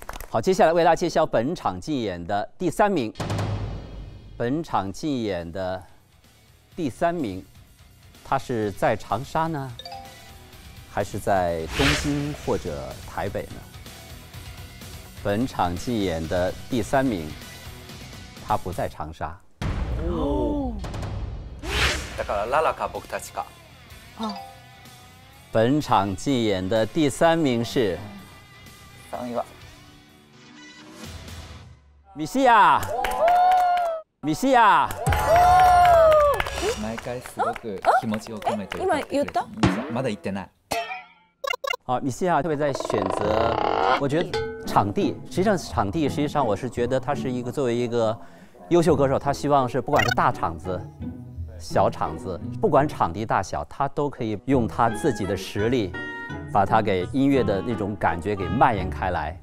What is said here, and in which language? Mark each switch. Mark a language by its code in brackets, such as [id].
[zh] 好，接下来为大家揭晓本场竞演的第三名。本场竞演的第三名，他是在长沙呢，还是在东京或者台北呢？本场竞演的第三名，他不在长沙。 [ja] だからララか僕たちか。啊。 [zh] 本场竞演的第三名是。等一下。米西亚。米西亚， [ja] 毎回すごく気持ちを込めて。今言った？まだ言ってない。 [zh] 好，米西亚特别在选择，我觉得场地，实际上场地，实际上我是觉得他是一个作为一个优秀歌手，他希望是不管是大场子、小场子，不管场地大小，他都可以用他自己的实力，把他给音乐的那种感觉给蔓延开来。